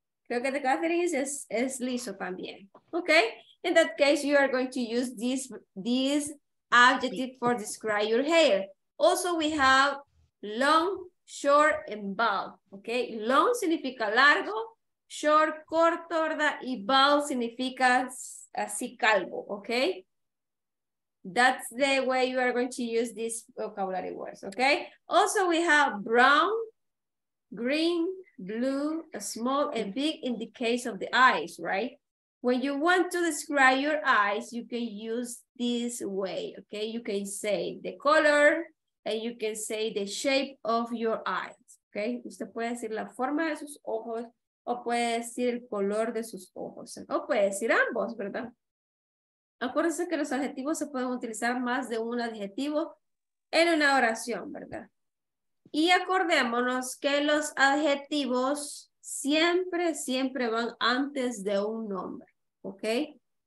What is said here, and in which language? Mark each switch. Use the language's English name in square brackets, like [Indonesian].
[Spanish] Creo que el de Catherine es liso también. [English] Okay? In that case, you are going to use this adjective for describe your hair. Also, we have long, short and bald, okay? [Spanish] Long significa largo, short, corto, ¿verdad? Y bald significa así calvo, okay? [English] That's the way you are going to use these vocabulary words, okay? Also, we have brown, green, blue, small and big in the case of the eyes, right? When you want to describe your eyes, you can use this way, okay? You can say the color, and you can say the shape of your eyes, okay? [Spanish] Usted puede decir la forma de sus ojos, o puede decir el color de sus ojos, o puede decir ambos, ¿verdad? Acuérdense que los adjetivos se pueden utilizar más de un adjetivo en una oración, ¿verdad? Y acordémonos que los adjetivos siempre, siempre van antes de un nombre, ¿ok?